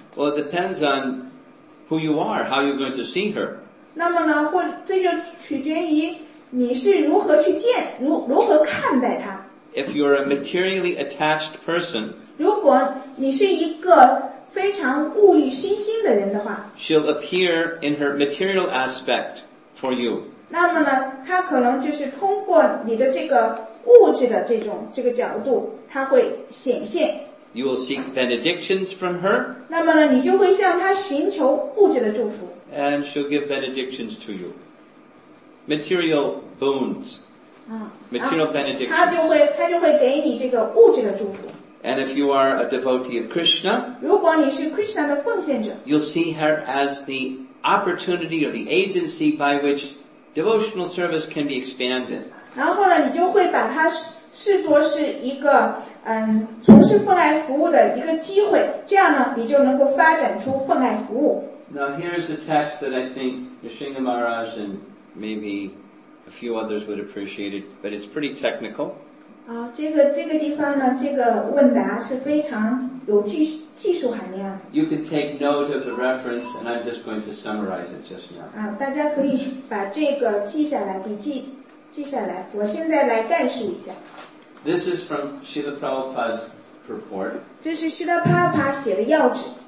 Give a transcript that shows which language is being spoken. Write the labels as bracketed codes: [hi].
[en] Well, it depends on who you are, how you're going to see her. [zh] 那么呢，或这就取决于你是如何去见，如何看待他。 [en] If you're a materially attached person, [zh] 如果你是一个非常物欲熏心的人的话 [en] she'll appear in her material aspect for you. [zh] 那么呢，她可能就是通过你的这个物质的这个角度，她会显现。 [en] You will seek benedictions from her. [zh] 那么呢，你就会向她寻求物质的祝福。 [en] And she'll give benedictions to you. Material boons. Material benediction. [zh] 他就会给你这个物质的祝福。 [en] And if you are a devotee of Krishna, [zh] 如果你是 Krishna 的奉献者 [en] you'll see her as the opportunity or the agency by which devotional service can be expanded. [zh] 然后呢，你就会把它视作是一个从事奉爱服务的一个机会，这样呢，你就能够发展出奉爱服务。 [en] Now here's a text that I think Nrisimha Maharaj and maybe. A few others would appreciate it, but it's pretty technical. [zh] 这个地方呢，这个问答是非常有技术含量。 [en] You can take note of the reference, and I'm just going to summarize it just now. [zh] 大家可以把这个记下来，笔记记下来。我现在来概述一下。 [en] This is from Srila Prabhupada's purport. [zh] 这是 Srila Prabhupada 写的要旨。